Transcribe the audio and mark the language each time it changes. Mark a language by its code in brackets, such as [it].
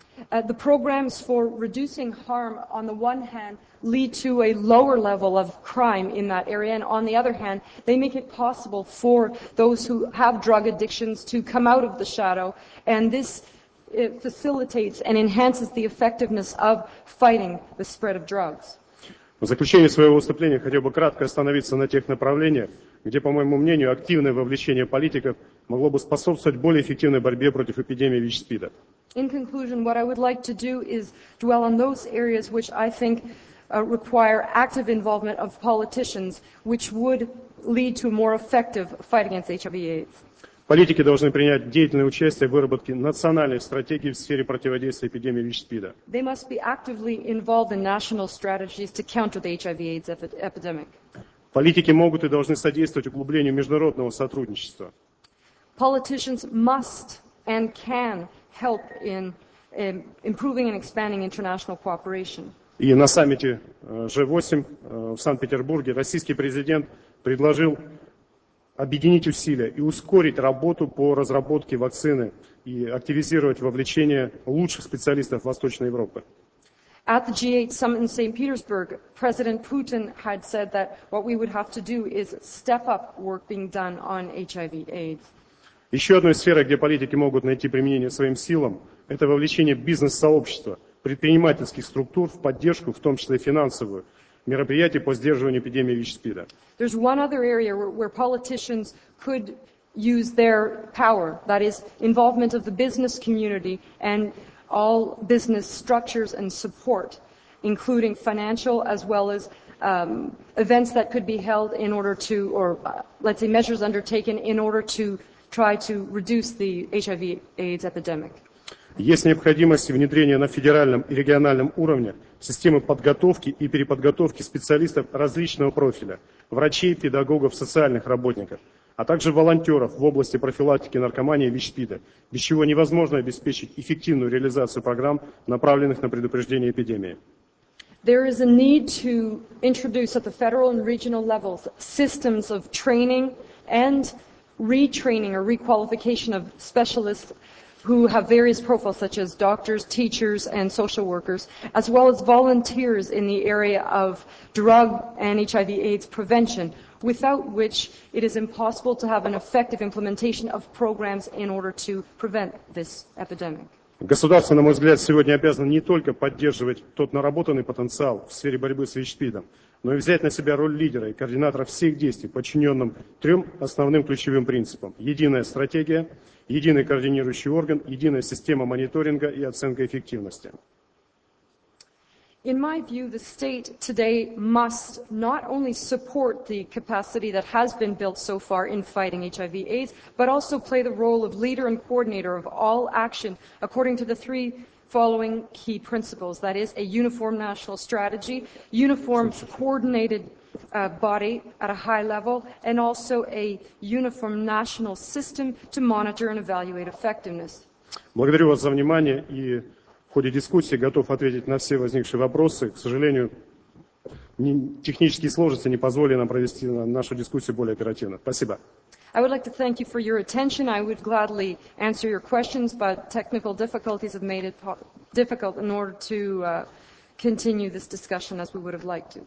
[en] The programs for reducing harm, on the one hand, lead to a lower level of crime in that area, and on the other hand, they make it possible for those who have drug addictions to come out of the shadow, and this facilitates and enhances the effectiveness of fighting the spread of drugs. [ru] В заключение своего выступления хотел бы кратко остановиться на тех направлениях, где, по моему мнению, активное вовлечение политиков могло бы способствовать более эффективной борьбе против эпидемии ВИЧ-СПИДа. [en] In conclusion, what I would like to do is dwell on those areas which I think require active involvement of politicians, which would lead to more effective fight against HIV/AIDS. [ru] Политики должны принять деятельное участие в выработке национальной стратегии в сфере противодействия эпидемии ВИЧ-СПИДа. [en] They must be actively involved in national strategies to counter the HIV/AIDS epidemic. [ru] Политики могут и должны содействовать углублению международного сотрудничества. [en] Politicians must and can help in improving and expanding international cooperation. [ru] И на саммите G8 в Санкт-Петербурге российский президент предложил объединить усилия и ускорить работу по разработке вакцины и активизировать вовлечение лучших специалистов Восточной Европы. [en] At the G8 summit in St. Petersburg, President Putin had said that what we would have to do is step up work being done on HIV/AIDS. [ru] Еще одной сферой, где политики могут найти применение своим силам, это вовлечение бизнес-сообщества, предпринимательских структур в поддержку, в том числе финансовую, мероприятий по сдерживанию эпидемии ВИЧ-СПИДа. [en] There's one other area where politicians could use their power, that is, involvement of the business community and all business structures and support, including financial as well as events that could be held in order to, or let's say measures undertaken in order to try to reduce the HIV/AIDS epidemic. [ru] Есть необходимость внедрения на федеральном и региональном уровне системы подготовки и переподготовки специалистов различного профиля – врачей, педагогов, социальных работников, а также волонтеров в области профилактики наркомании и ВИЧ-СПИДа, без чего невозможно обеспечить эффективную реализацию программ, направленных на предупреждение эпидемии. [en] There is a need to introduce at the federal and regional levels systems of training and retraining or requalification of specialists who have various profiles, such as doctors, teachers, and social workers, as well as volunteers in the area of drug and HIV/AIDS prevention, without which it is impossible to have an effective implementation of programs in order to prevent this epidemic. [ru] Государство, на мой взгляд, сегодня обязано не только поддерживать тот наработанный потенциал в сфере борьбы с ВИЧ-СПИДом, но и взять на себя роль лидера и координатора всех действий, подчиненным трем основным ключевым принципам – единая стратегия, единый координирующий орган, единая система мониторинга и оценка эффективности. [en] In my view, the state today must not only support the capacity that has been built so far in fighting HIV/AIDS, but also play the role of leader and coordinator of all action according to the three following key principles. That is, a uniform national strategy, uniform coordinated body at a high level, and also a uniform national system to monitor and evaluate effectiveness. [ru] Благодарю вас за внимание и... В ходе дискуссии готов ответить на все возникшие вопросы. К сожалению, технические сложности не позволили нам провести нашу дискуссию более оперативно. Спасибо. [en] I would like to thank you for your attention. I would gladly answer your questions, but technical difficulties have made it difficult in order to continue this discussion as we would have liked to.